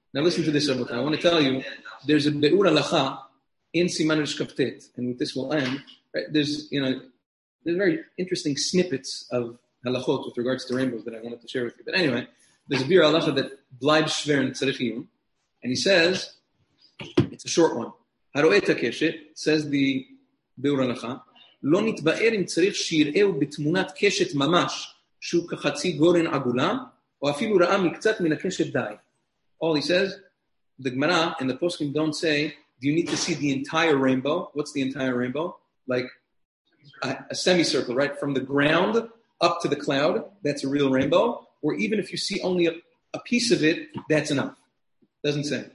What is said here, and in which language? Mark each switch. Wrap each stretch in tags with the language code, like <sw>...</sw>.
<en>Now listen to this, Rabotai. I want to tell you, there's a Be'ur Halacha in Siman Rishkaptet, and with this we'll end. Right? There's very interesting snippets of Halachot with regards to rainbows that I wanted to share with you. But anyway, there's a Be'ur Halacha that Blaib Shver in Tzarech Iyun, and he says, it's a short one.</en> <he>Haro'e Takeshet,</he> <en>says the Be'ur Halacha,</en> <he>לא נתבאר אם צריך שיראהו בתמונת קשת ממש, שהוא כחצי גורן עגולה, או אפילו ראה מקצת מן הקשת די.</he> <en>All he says, the Gemara and the Poskim don't say, do you need to see the entire rainbow? What's the entire rainbow? Like a semicircle, right? From the ground up to the cloud, that's a real rainbow. Or even if you see only a piece of it, that's enough. Doesn't say.</en>